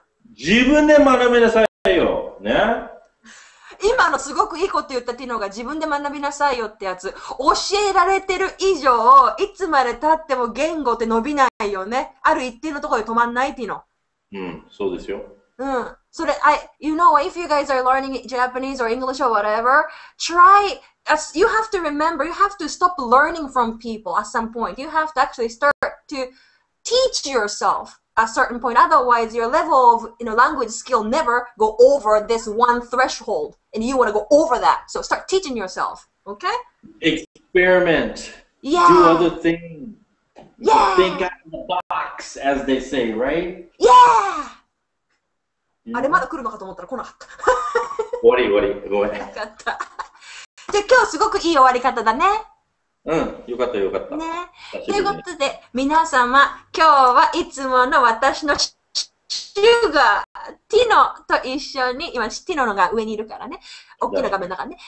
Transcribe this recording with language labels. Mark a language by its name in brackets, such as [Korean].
[Japanese] 自分で学びなさいよ。ね、今のすごくいいこと言ったティノが自分で学びなさいよってやつ。教えられてる以上、いつまで経っても言語って伸びないよね。ある一定のところで止まんないティノ。うん、そうですよ。うん。 [English] それ、you know, if you guys are learning Japanese or English or whatever, try, you have to remember, you have to stop learning from people at some point. You have to actually start to teach yourself. A certain point. Otherwise, your level of you know, language skill never go over this one threshold. And you want to go over that. So start teaching yourself. Okay? Experiment. Yeah. Do other things. Yeah. Think out of the box, as they say, right? [Japanese] Yeah. あれまだ来るのかと思ったら来なかった。終わり終わり。ごめん。よかった。じゃあ今日すごくいい終わり方だね。うん、よかったよかった。ね。ということで、皆様、今日はいつもの私のシューガー、ティノと一緒に、今、ティノのが上にいるからね。大きな画面だからね。